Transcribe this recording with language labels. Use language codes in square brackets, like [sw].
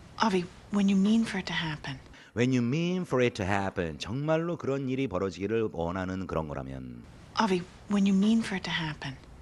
[en] Avi, when you mean for it to happen. When you mean for it to happen. [ko] 정말로 그런 일이 벌어지기를 원하는 그런 거라면. [en] Avi, when you mean for it to happen.